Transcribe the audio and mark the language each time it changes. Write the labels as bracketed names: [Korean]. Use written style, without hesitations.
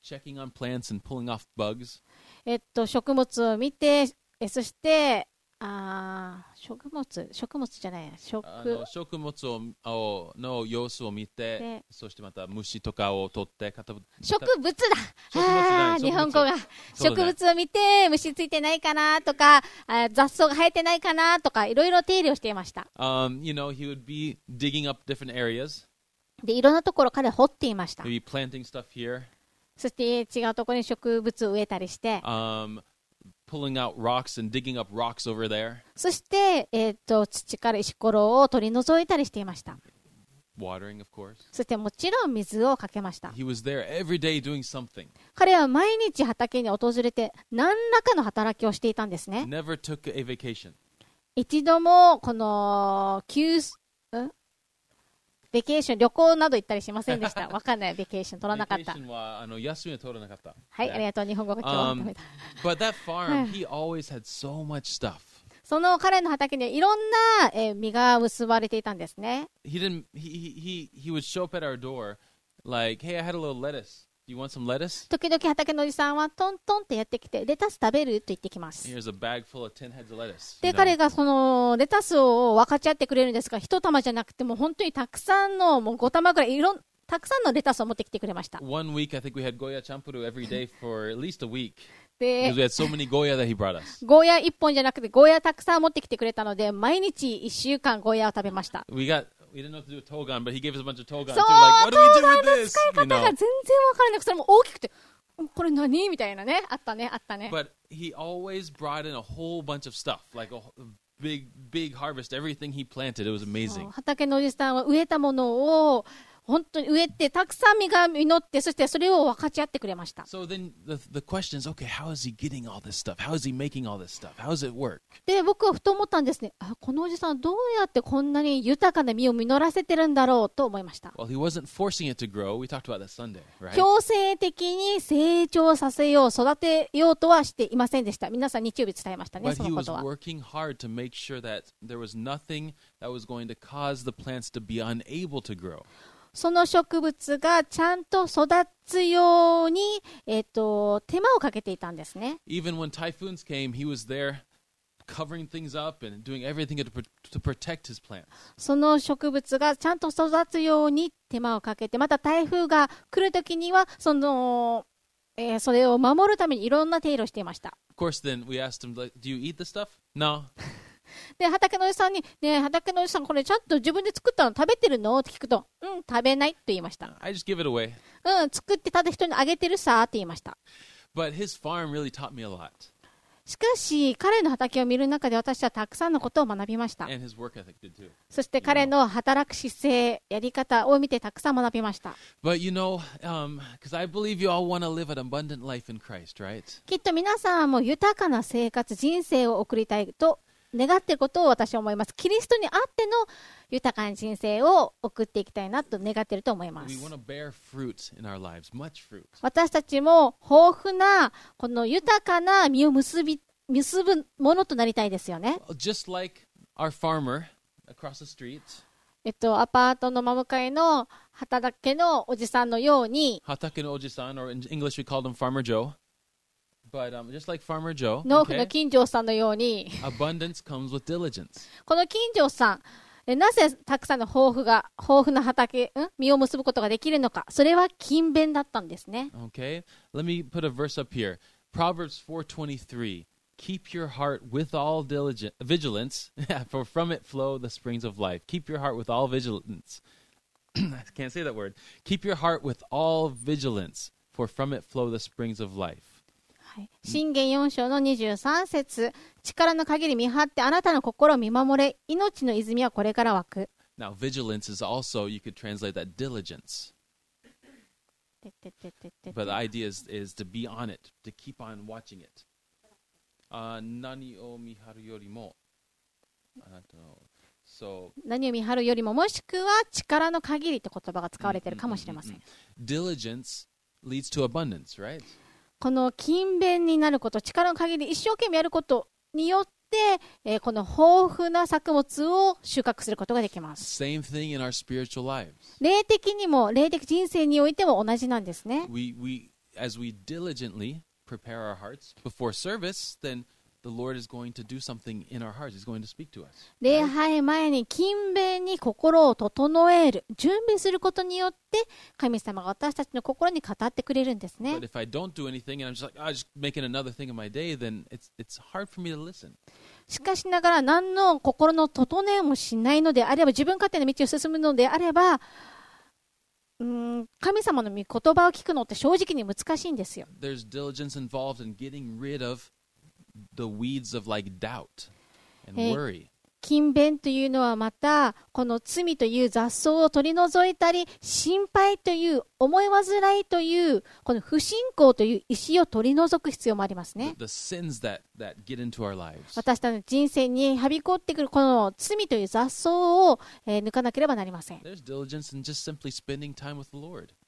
[English] Checking on plants and pulling off bugs. [Japanese] 植物を見て、そして、植物、植物じゃない、植物をの様子を見て、そしてまた虫とかを取って、植物だ、植物だ、日本語が、ね、植物を見て、虫ついてないかなとか、雑草が生えてないかなとか、いろいろ手入れをしていました。 [English] You know, he would be digging up different areas. [Japanese] で、いろんなところ彼掘っていました。 [English] Maybe planting stuff here. [Japanese] そして違うところに植物を植えたりして、 [English] pulling out rocks and digging up rocks over there. [Japanese] そして、土から石ころを取り除いたりしていました。 [English] Watering, of course. [Japanese] そしてもちろん水をかけました。 [English] He was there every day doing something. [Japanese] 彼は毎日畑に訪れて何らかの働きをしていたんですね。 [English] Never took a vacation. [Japanese] 一度もこの休息ベケーション、旅行など行ったりしませんでした。わかんない、ベケーション取らなかった。ベケーションは休みは取らなかった。はい、ありがとう。日本語が今日は止めた。 [English] But that farm, he always had so much stuff. [Japanese] その彼の畑にはいろんな実が結ばれていたんですね。 [English] He would show up at our door like, hey, I had a little lettuce. Do you want some lettuce? [Japanese] 時々畑のおじさんはトントンってやってきて、レタス食べると言ってきます。 [English] Here's a bag full of 10 heads of lettuce. [Japanese] で、彼がそのレタスを分かち合ってくれるんですが、一玉じゃなくて、もう本当にたくさんの、もう5玉ぐらい、たくさんのレタスを持ってきてくれました。 [English] One week, I think we had Goya Champuru every day for at least a week. Because we had so many Goya that he brought us. [Japanese] Goya 1本じゃなくて、Goya たくさん持ってきてくれたので、毎日1週間 Goya を食べました。 [English] We didn't know what to do with Togan, but he gave us a bunch of Togan. So, like, what do we do with this? You know. [Japanese] 全然分からなくて、それも大きくて、これ何みたいなね、あったね、あったね。 [English] But he always brought in a whole bunch of stuff, like a big, big harvest. Everything he planted, it was amazing. [Japanese] 畑のおじさんは植えたものを本当に植えて、たくさん実が実って、そしてそれを分かち合ってくれました。 [English] So then the question is, okay, how is he getting all this stuff? How is he making all this stuff? How does it work? [Japanese] で、僕はふと思ったんですね。このおじさんどうやってこんなに豊かな実を実らせてるんだろうと思いました。 [English] Well, he wasn't forcing it to grow. We talked about that Sunday, right? [Japanese] 強制的に成長させよう、育てようとはしていませんでした。皆さん日曜日伝えましたね、そのことは。 [English] But he was working hard to make sure that there was nothing that was going to cause the plants to be unable to grow. [Japanese] その植物がちゃんと育つように、手間をかけていたんですね。 [English] Even when typhoons came, he was there covering things up and doing everything to protect his plants. [Japanese] その植物がちゃんと育つように手間をかけて、また台風が来るときにはそれを守るためにいろんな手入れをしていました。 [English] Of course, then we asked him, like, "Do you eat the stuff?" No. [Japanese] で畑のおじさんに、ね、畑のおじさんこれちゃんと自分で作ったの食べてるのって聞くと、うん、食べないと言いました。 [English] I just give it away. [Japanese] うん、作ってただ人にあげてるさって言いました。 [English] But his farm really taught me a lot. [Japanese] しかし彼の畑を見る中で私はたくさんのことを学びました。そして彼の働く姿勢、やり方を見てたくさん学びました。 [English] But you know, because I believe you all want to live an abundant life in Christ, right? [Japanese] きっと皆さんも豊かな生活、人生を送りたいと願っていることを私は思います。キリストにあっての豊かな人生を送っていきたいなと願っていると思います。 [English] We want to bear fruit in our lives, much fruit. [Japanese] 私たちも豊富なこの豊かな実を結ぶものとなりたいですよね。 [English] Just like our farmer across the street. [Japanese] アパートの真向かいの畑のおじさんのように。畑のおじさん、 [English] or in English we call them Farmer Joe. But, just like Farmer Joe, [Japanese] 農夫の金城さんのように [English] abundance comes with diligence. [Japanese] この金城さん、なぜたくさんの豊富な畑、実を結ぶことができるのか、それは勤勉だったんですね。 [English] Okay, let me put a verse up here. Proverbs 4:23. Keep your heart with all vigilance, for from it flow the springs of life. Keep your heart with all vigilance. I can't say that word. Keep your heart with all vigilance, for from it flow the springs of life. [Japanese] 箴言4章の23節、力の限り見張ってあなたの心を見守れ、命の泉はこれから湧く。 [English] Now, vigilance is also, you could translate that diligence. But the idea is to be on it, to keep on watching it. [Japanese] 何を見張るよりも、あなたの、so, 何を見張るよりも、もしくは力の限りって言葉が使われているかもしれません。 [English] Diligence leads to abundance, right? [Japanese] この勤勉になること、力の限り一生懸命やることによって、この豊富な作物を収穫することができます。 [English] Same thing in our spiritual lives. [Japanese] 霊的にも、霊的人生においても同じなんですね。 [English] as we diligently prepare our hearts before service, then the Lord is going to do something in our hearts. He's going to speak to us. [Japanese] 礼拝前に勤勉に心を整える、準備することによって神様が私たちの心に語ってくれるんですね。 [English] But if I don't do anything and I'm just like, I'm just making another thing in my day, then it's hard for me to listen. [Japanese] しかしながら何の心の整えもしないのであれば、自分勝手な道を進むのであれば、神様の御言葉を聞くのって正直に難しいんですよ。 [English] There's diligence involved in getting rid ofThe weeds of like doubt and worry. [Japanese] 勤勉というのはまたこの罪という雑草を取り除いたり、心配という思い煩いというこの不信仰という石を取り除く必要もありますね。 [English] the sins that get into our lives. [Japanese] 私たちの人生にはびこってくるこの罪という雑草を、抜かなければなりません。 [English] There's diligence in just simply spending time with the Lord.